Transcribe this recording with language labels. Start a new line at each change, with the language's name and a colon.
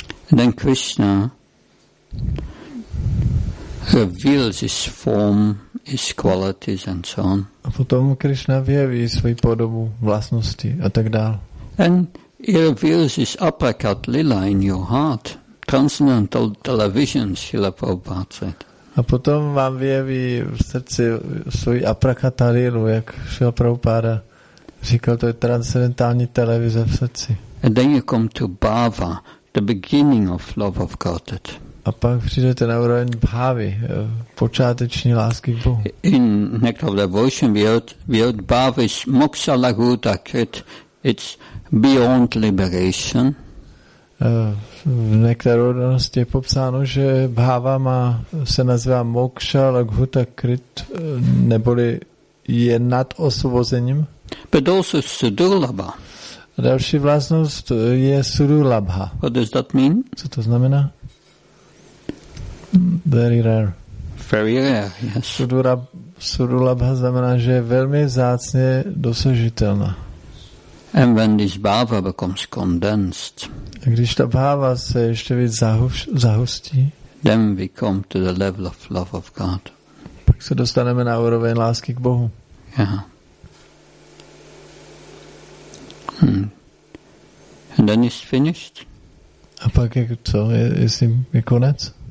English: And then Krishna reveals his form, his qualities and so on.
Czech: A potom Krishna vyjeví svoji podobu, vlastnosti a tak dál.
English: And he reveals his apricot lila in your heart. Transcendental television, Srila Prabhupada said.
Czech: A potom vám vyjeví v srdci svůj aprakata lilu, jak Srila Prabhupada říkal, to je transcendentální televize v srdci.
English: And then you come to bhava, the beginning of love of Godhead.
Czech: A pak přijdete na úroveň bhavy, počáteční lásky k Bohu.
English: In Nectar of Devotion we heard bhava is moksha lahuta krit, it's beyond liberation.
Czech: V některé rodnosti je popsáno, že bhava má, se nazývá moksha laghuta krit, neboli je nad osvobozením.
English: But also sudurlabha.
Czech: Další vlastnost je sudurlabha.
English: What does that mean?
Czech: Co to znamená?
English: Very rare. Very rare, yes.
Czech: Sudurlabha znamená, že je velmi vzácně dosažitelná.
English: And when this bhava becomes condensed,
Czech: a když ta bhava se ještě víc zahustí,
English: then we come to the level of love of God.
Czech: Pak se dostaneme na úroveň lásky k Bohu. Yeah.
English: And then it's finished.
Czech: A pak je co? Je konec?